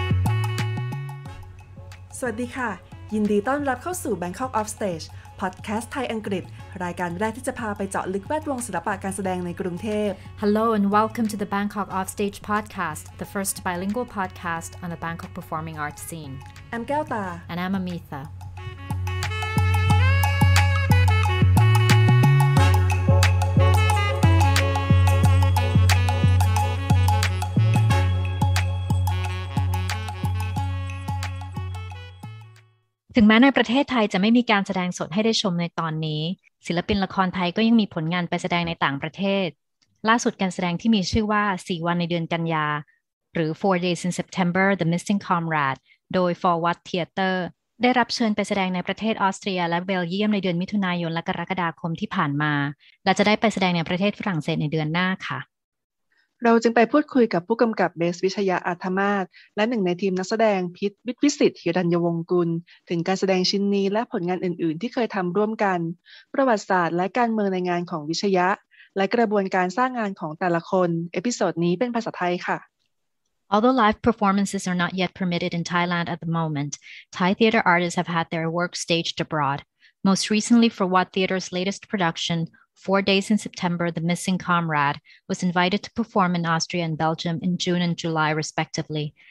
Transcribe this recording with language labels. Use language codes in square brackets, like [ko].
[th] วัสดีค่ะยินดีต้อนรับเข้าสู่ Bangkok Off Stage Podcast ไทยอังกฤษรายการแรกที่จะพาไปเจาะลึกแวดวงศิลปะการแสดงในกรุงเทพ [en] Hello and welcome to the Bangkok Off Stage Podcast the first bilingual podcast on the Bangkok performing arts scene I'm แก้วตา and I'm Amitha [th] ถึงแม้ในประเทศไทยจะไม่มีการแสดงสดให้ได้ชมในตอนนี้ศิลปินละครไทยก็ยังมีผลงานไปแสดงในต่างประเทศล่าสุดการแสดงที่มีชื่อว่า4วันในเดือนกันยา หรือ4 days in September The Missing Comrade โดย Forward Theater ได้รับเชิญไปแสดงในประเทศออสเตรียและเบลเยียมในเดือนมิถุนายนและกรกฎาคมที่ผ่านมาและจะได้ไปแสดงในประเทศฝรั่งเศสในเดือนหน้าค่ะ เราจึงไปพูดคุยกับผู้กำกับเบสวิชยาอัธมาศและหนึ่งในทีมนักแสดงพิษวิทย์วิสิทธิ์ฮิรัญวงศ์กุลถึงการแสดงชิ้นนี้และผลงานอื่นๆที่เคยทำร่วมกันประวัติศาสตร์และการเมืองในงานของวิชยะและกระบวนการสร้างงานของแต่ละคนเอพิโซดนี้เป็นภาษาไทยค่ะ [en] Although live performances are not yet permitted in Thailand at the moment, Thai theater artists have had their work staged abroad. Most recently for Wat Theater's latest production,4 days in September, The Missing Comrade was invited to perform in Austria and Belgium in June and July, respectively.